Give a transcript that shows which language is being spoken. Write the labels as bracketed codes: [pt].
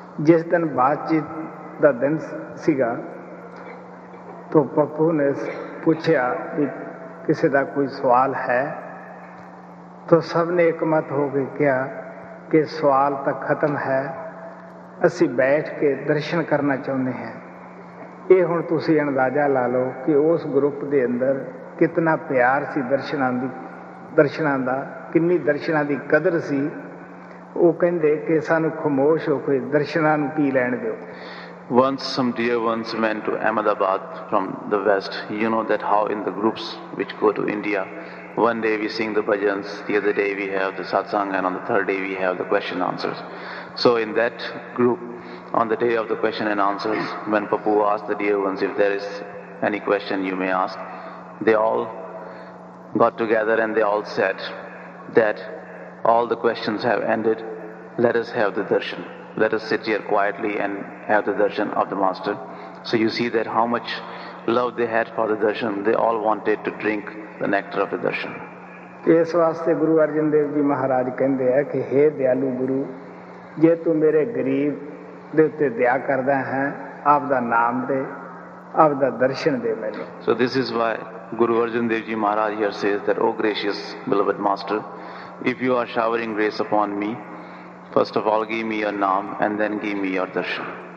[pa] ਜਿਸ ਦਿਨ ਬਾਤਚੀਤ ਦਾ ਦਿਨ ਸੀਗਾ ਤਾਂ ਪੱਪੂ ਨੇ ਪੁੱਛਿਆ ਵੀ ਕਿਸੇ ਦਾ ਕੋਈ ਸਵਾਲ ਹੈ, ਤਾਂ ਸਭ ਨੇ ਇੱਕ ਮਤ ਹੋ ਕੇ ਕਿਹਾ ਕਿ ਸਵਾਲ ਤਾਂ ਖਤਮ ਹੈ, ਅਸੀਂ ਬੈਠ ਕੇ ਦਰਸ਼ਨ ਕਰਨਾ ਚਾਹੁੰਦੇ ਹਾਂ। ਇਹ ਹੁਣ ਤੁਸੀਂ ਅੰਦਾਜ਼ਾ ਲਾ ਲਓ ਕਿ ਉਸ ਗਰੁੱਪ ਦੇ ਅੰਦਰ ਕਿਤਨਾ ਪਿਆਰ ਸੀ ਦਰਸ਼ਨਾਂ ਦੀ, ਦਰਸ਼ਨਾਂ ਦਾ ਕਿੰਨੀ ਦਰਸ਼ਨਾਂ ਦੀ ਕਦਰ ਸੀ। ਉਹ ਕਹਿੰਦੇ ਕਿ ਸਾਨੂੰ ਖਮੋਸ਼ ਹੋ ਕੇ ਦਰਸ਼ਨਾਂ ਨੂੰ ਪੀ ਲੈਣ ਦਿਓ। [en] Once some dear ones went to Ahmedabad from the west. You know that how in the groups which go to India, one day we sing the bhajans, the other day we have the satsang, and on the third day we have the question answers. So in that group, on the day of the question and answers, when Papu asked the dear ones if there is any question you may ask, they all got together and they all said that all the questions have ended, let us have the darshan. Let us sit here quietly and have the darshan of the master. So you see that how much love they had for the darshan. They all wanted to drink the nectar of the darshan. [pa] ਇਸ ਵਾਸਤੇ ਗੁਰੂ ਅਰਜਨ ਦੇਵ ਜੀ ਮਹਾਰਾਜ ਕਹਿੰਦੇ ਆ ਕਿ ਹੇ ਦਿਆਲੂ ਗੁਰੂ, ਜੇ ਤੂੰ ਮੇਰੇ ਗਰੀਬ ਦੇ ਉੱਤੇ ਦਇਆ ਕਰਦਾ ਹੈ, ਆਪਦਾ ਨਾਮ ਦੇ, ਆਪਦਾ ਦਰਸ਼ਨ ਦੇ ਮੈਨੂੰ। [en] So this is why Guru Arjan Dev Ji Maharaj here says that, O gracious beloved master, if you are showering grace upon me, first of all give me your naam and then give me your darshan.